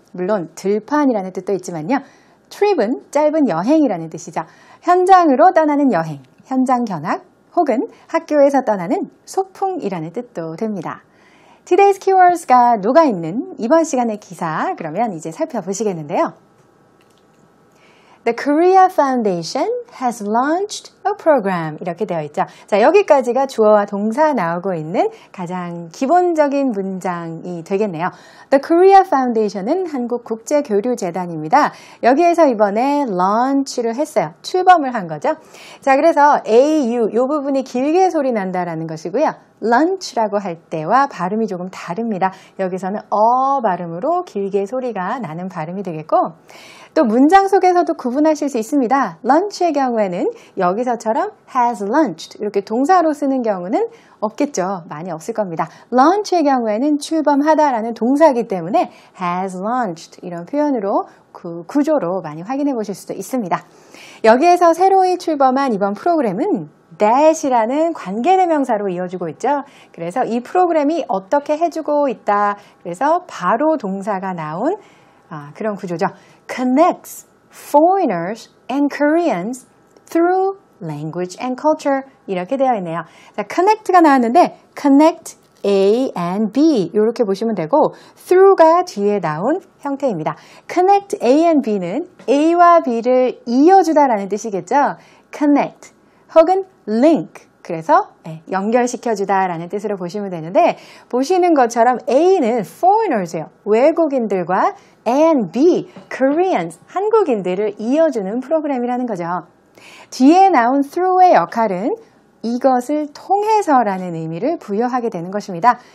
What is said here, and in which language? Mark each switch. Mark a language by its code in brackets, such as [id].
[ko] 물론 들판이라는 뜻도 있지만요. trip은 짧은 여행이라는 뜻이죠. 현장으로 떠나는 여행, 현장 견학 혹은 학교에서 떠나는 소풍이라는 뜻도 됩니다. [en] Today's keywords [ko] 가 녹아있는 이번 시간의 기사 그러면 이제 살펴보시겠는데요. [en] The Korea Foundation has launched a program [ko] 이렇게 되어 있죠. 자, 여기까지가 주어와 동사 나오고 있는 가장 기본적인 문장이 되겠네요. [en] The Korea Foundation [ko] 은 한국 국제교류재단입니다. 여기에서 이번에 launch를 했어요. 출범을 한 거죠. 자, 그래서 AU 이 부분이 길게 소리 난다라는 것이고요. launch라고 할 때와 발음이 조금 다릅니다. 여기서는 어 발음으로 길게 소리가 나는 발음이 되겠고 또 문장 속에서도 구분하실 수 있습니다. lunch의 경우에는 여기서처럼 [en] has lunched [ko] 이렇게 동사로 쓰는 경우는 없겠죠. 많이 없을 겁니다. lunch의 경우에는 출범하다라는 동사이기 때문에 [en] has lunched [ko] 이런 표현으로 그 구조로 많이 확인해 보실 수도 있습니다. 여기에서 새로이 출범한 이번 프로그램은 that이라는 관계대명사로 이어지고 있죠. 그래서 이 프로그램이 어떻게 해주고 있다. 그래서 바로 동사가 나온 그런 구조죠. [en] connects foreigners and Koreans through language and culture [ko] 이렇게 되어 있네요. 자, connect가 나왔는데 [en] connect A and B [ko] 이렇게 보시면 되고 through가 뒤에 나온 형태입니다. [en] connect A and B [ko] 는 A와 B를 이어주다라는 뜻이겠죠. connect 혹은 link 그래서 연결시켜주다라는 뜻으로 보시면 되는데 보시는 것처럼 A는 foreigners예요. 외국인들과 and B, Koreans, 한국인들을 이어주는 프로그램이라는 거죠. 뒤에 나온 through의 역할은 이것을 통해서라는 의미를 부여하게 되는 것입니다.